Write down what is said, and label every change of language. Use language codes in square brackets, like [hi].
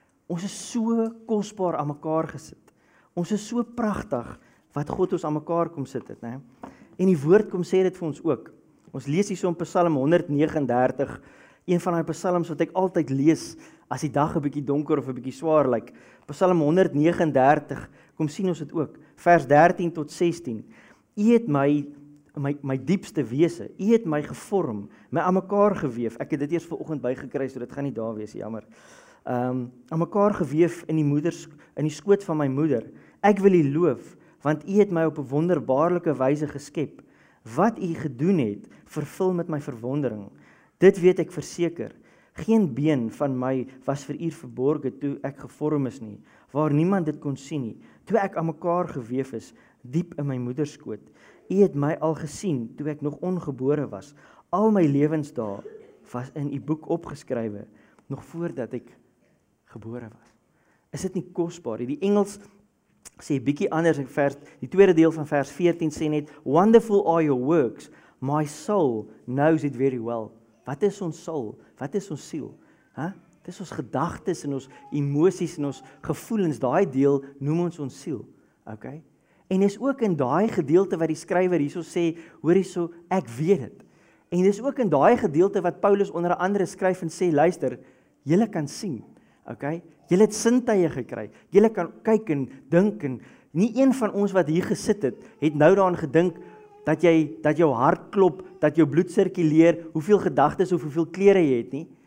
[af] Ons is so kosbaar aan mekaar gesit. Ons is so pragtig wat God ons aan mekaar kom sit het, né? En die woord kom sê dit vir ons ook. Ons lees hierso in Psalm 139. Een van daai psalms wat ek altyd lees as die dag 'n bietjie donker of 'n bietjie swaar lyk. Psalm 139, kom sien ons dit ook, vers 13 tot 16. U het my diepste wese, u het my gevorm, my aan mekaar gewewe. Ek het dit eers vanoggend bygekry, so dit gaan nie daar wees, jammer. Aan mekaar gewewe in die skoot van my moeder. Ek wil U loof, want U het my op 'n wonderbaarlike wyse geskep. Wat U gedoen het, vervul met my verwondering. Dit weet ek verseker. Geen been van my was vir U verborge toe ek gevorm is nie, waar niemand dit kon sien nie, toe ek aan mekaar gewewe is, diep in my moeder skoot. U het my al gesien toe ek nog ongebore was. Al my lewensdae was in U boek opgeskrywe, nog voordat ek gebore was. Is dit nie kosbaar? Die Engels sê bietjie anders in vers, die tweede deel van vers 14 sê net, [en] Wonderful are your works, my soul knows it very well. [af] Wat is ons soul? Wat is ons siel? Huh? Het is ons gedagtes en ons emoties en ons gevoelens, daai deel noem ons ons siel. Okay? En is ook in daai gedeelte wat die skrywer hierso sê, hoor hierso, ek weet het. En dis ook in daai gedeelte wat Paulus onder andere skryf en sê, luister, jylle kan sien, okay? Jylle het sintuie gekry, jylle kan kyk en dink en nie een van ons wat hier gesit het, het nou daaraan gedink dat jy, dat jou hart klop, dat jou bloed sirkuleer, hoeveel gedagtes of hoeveel klere jy het nie.